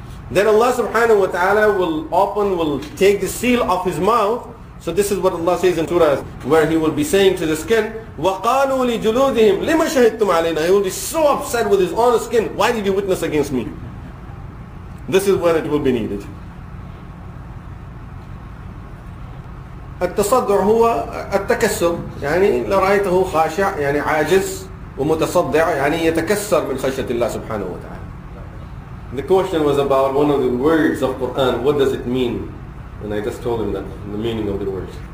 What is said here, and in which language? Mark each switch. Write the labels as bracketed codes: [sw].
[en] Then Allah subhanahu wa ta'ala will take the seal off his mouth. So this is what Allah says in Surah, where he will be saying to the skin, [ar] وَقَالُوا لِجُلُودِهِمْ لِمَ شَهِدْتُمْ عَلَيْنَا. [en] He will be so upset with his own skin. "Why did you witness against me?" This is when it will be needed. [ar] التصدع هو التكسر يعني لرأيته خاشع يعني عاجز ومتصدع يعني يتكسر من خشية الله سبحانه وتعالى. [en] The question was about one of the words of Quran. What does it mean? And I just told him that, the meaning of the word.